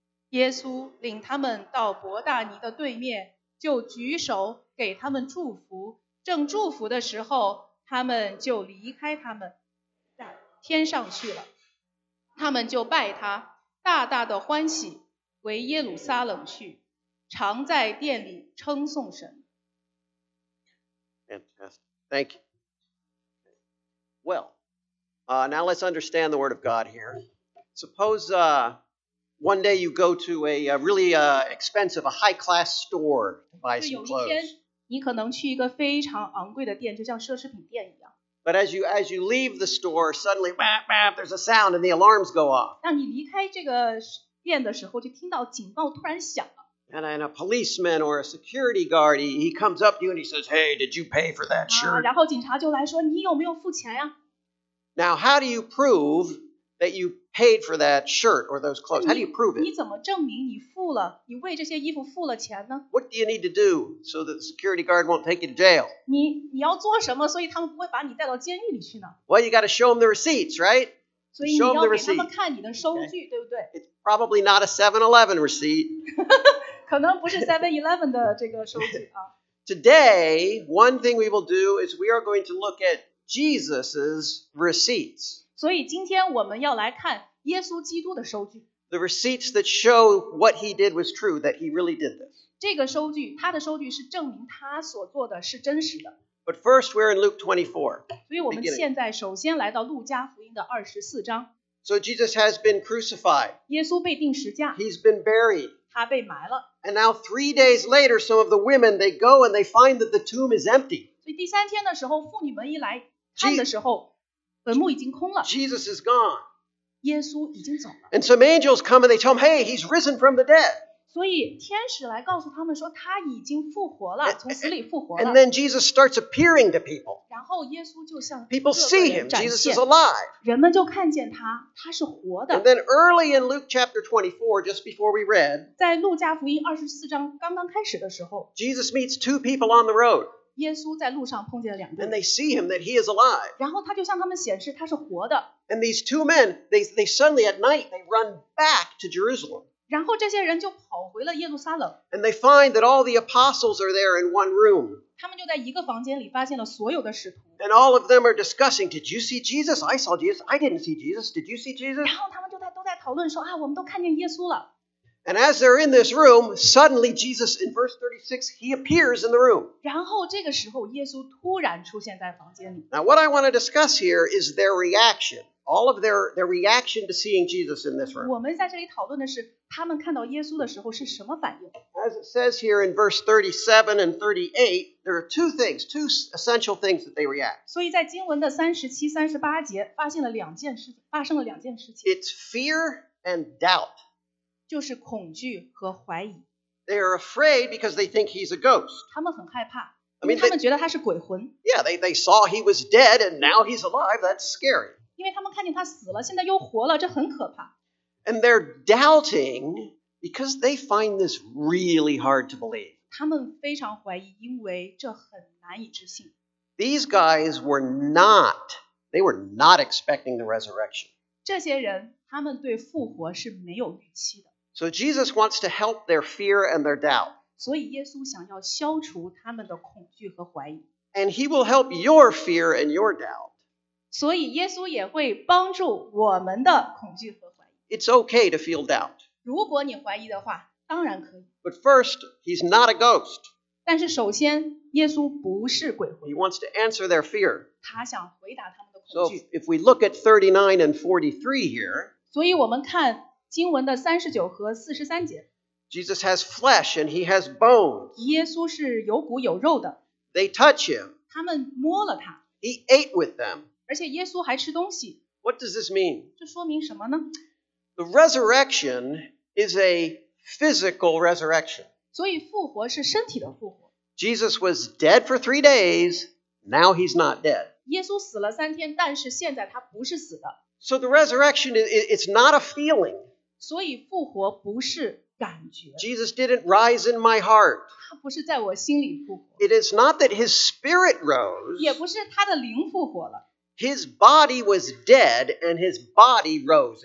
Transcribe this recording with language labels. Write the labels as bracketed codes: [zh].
[zh] 耶稣领他们到伯大尼的对面，就举手给他们祝福，正祝福的时候，他们就离开他们在天上去了。他们就拜他，大大的欢喜，回耶路撒冷去，常在殿里称颂神。 [en] Fantastic. Thank you. Well, now let's understand the word of God here. Suppose one day you go to a really expensive, a high-class store to buy some clothes. [zh] 你可能去一个非常昂贵的店，就像奢侈品店一样。 [en] But as you leave the store, suddenly, bah, bah, there's a sound and the alarms go off. [zh] 当你离开这个店的时候，就听到警报突然响了。 [en] And a policeman or a security guard, he comes up to you and he says, hey, did you pay for that shirt? [zh] 然后警察就来说，你有没有付钱呀？ [en] Now, how do you prove that you paid for that shirt or those clothes? How do you prove it? [zh] 你怎么证明你付了，你为这些衣服付了钱呢？ [en] What do you need to do so that the security guard won't take you to jail? [zh] 你要做什么，所以他们不会把你带到监狱里去呢？ [en] Well, you got to show them the receipts, right? So you show them the receipts. [zh] 所以你要给他们看你的收据，对不对？ [en] It's probably not a 7-Eleven receipt. [zh] 可能不是 7-Eleven 的这个收据啊。 [en] Today, one thing we will do is we are going to look at Jesus's receipts. [zh] 所以今天我们要来看耶稣基督的收据。 [en] The receipts that show what he did was true, that he really did this. [zh] 这个收据，他的收据是证明他所做的是真实的。 [en] But first, we're in Luke 24. [zh] 所以我们现在首先来到路加福音的24章。 [en] So Jesus has been crucified. [zh] 耶稣被钉十架。 [en] He's been buried. [zh] 他被埋了。 [en] And now 3 days later, some of the women, they go and they find that the tomb is empty. [zh] 所以第三天的时候，妇女们一来看的时候， [en] Jesus is gone. [zh] 耶稣已经走了。 [en] And some angels come and they tell him, hey, he's risen from the dead. [zh] 所以天使来告诉他们说他已经复活了，从死里复活了。 [en] And then Jesus starts appearing to people. [zh] 然后耶稣就向 [en] People see him. Jesus is alive. [zh] 人们就看见他，他是活的。 [en] And then early in Luke chapter 24, just before we read, [zh] 在路加福音24章刚刚开始的时候， [en] Jesus meets two people on the road. [zh] 耶稣在路上碰见了两个人。 [en] And they see him that he is alive. [zh] 然后他就向他们显示他是活的。 [en] And these two men, they suddenly at night, they run back to Jerusalem. [zh] 然后这些人就跑回了耶路撒冷。 [en] And they find that all the apostles are there in one room. [zh] 他们就在一个房间里发现了所有的使徒。 [en] And all of them are discussing, did you see Jesus? I saw Jesus. I didn't see Jesus. Did you see Jesus? [zh] 然后他们就都在讨论说啊，我们都看见耶稣了。 [en] And as they're in this room, suddenly Jesus, in verse 36, he appears in the room. [zh] 然后这个时候耶稣突然出现在房间里。 [en] Now what I want to discuss here is their reaction. All of their reaction to seeing Jesus in this room. [zh] 我们在这里讨论的是他们看到耶稣的时候是什么反应。 [en] As it says here in verse 37 and 38, there are two things, two essential things that they react. [zh] 所以在经文的37、38节发生了两件事情。 [en] It's fear and doubt. [zh] 就是恐惧和怀疑。 [en] They are afraid because they think he's a ghost. [zh] 他们很害怕，因为他们觉得他是鬼魂。 [en] Yeah, they saw he was dead and now he's alive. That's scary. [zh] 因为他们看见他死了，现在又活了，这很可怕。 [en] And they're doubting because they find this really hard to believe. [zh] 他们非常怀疑，因为这很难以置信。 [en] These guys were not, they were not expecting the resurrection. [zh] 这些人他们对复活是没有预期的。 [en] So Jesus wants to help their fear and their doubt. [zh] 所以耶稣想要消除他们的恐惧和怀疑。 [en] And he will help your fear and your doubt. [zh] 所以耶稣也会帮助我们的恐惧和怀疑。 [en] It's okay to feel doubt. [zh] 如果你怀疑的话，当然可以。 [en] But first, he's not a ghost. [zh] 但是首先，耶稣不是鬼魂。 [en] He wants to answer their fear. [zh] 他想回答他们的恐惧。 [en] So if we look at 39 and 43 here, [zh] 所以我们看经文的39和43节。 [en] Jesus has flesh and he has bones. [zh] 耶稣是有骨有肉的。 [en] They touch him. [zh] 他们摸了他。 [en] He ate with them. [zh] 而且耶稣还吃东西。 [en] What does this mean? [zh] 这说明什么呢？ [en] The resurrection is a physical resurrection. [zh] 所以复活是身体的复活。 [en] Jesus was dead for 3 days, now he's not dead. [zh] 耶稣死了三天，但是现在他不是死的。 [en] So the resurrection is not a feeling. [zh] 所以复活不是感觉。 [en] Jesus didn't rise in my heart. [zh] 他不是在我心里复活。 [en] It is not that his spirit rose. [zh] 也不是他的灵复活了。 [en] His body was dead and his body rose.